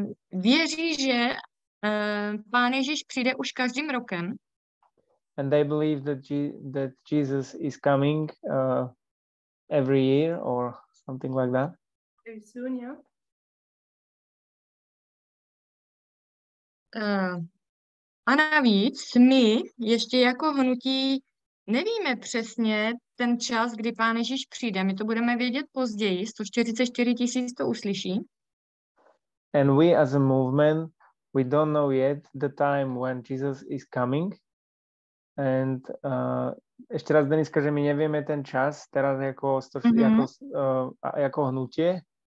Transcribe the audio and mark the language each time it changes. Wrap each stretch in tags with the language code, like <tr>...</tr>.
<cs>Věří, že Pán Ježíš přijde už každým rokem.</cs> <en>And they believe that that Jesus is coming every year or something like that. Very soon, yeah.</en> <cs>A navíc my ještě jako hnutí nevíme přesně ten čas, kdy Pán Ježíš přijde. My to budeme vědět později. 144 tisíc to uslyší.</cs> <en>And we as a movement, we don't know yet the time when Jesus is coming.</en> <sk>And ešte raz, Deniska, že my nevieme ten čas teraz ako, ako hnutie.</sk>